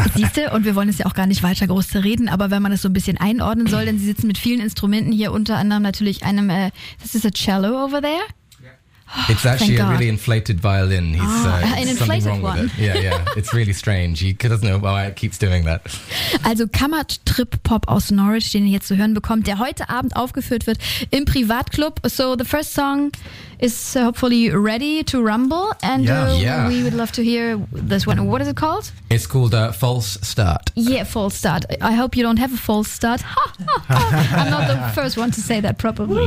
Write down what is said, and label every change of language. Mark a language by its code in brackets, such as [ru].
[de] Siehste, und wir wollen es ja auch gar nicht weiter groß zu reden, aber wenn man das so ein bisschen einordnen soll, denn sie sitzen mit vielen Instrumenten hier, unter anderem natürlich einem, [en] this is a cello over there? Yeah. It's actually a really inflated violin. An inflated one. Yeah, it's really strange. He doesn't know why it keeps doing that. [de] Also Kammertrip-Pop aus Norwich, den ihr jetzt zu hören bekommt, der heute Abend aufgeführt wird im Privatclub. [en] So the first song is hopefully ready to rumble, and we would love to hear this one. What is it called? It's called False Start. Yeah, False Start. I hope you don't have a false start. I'm not the first one to say that, probably.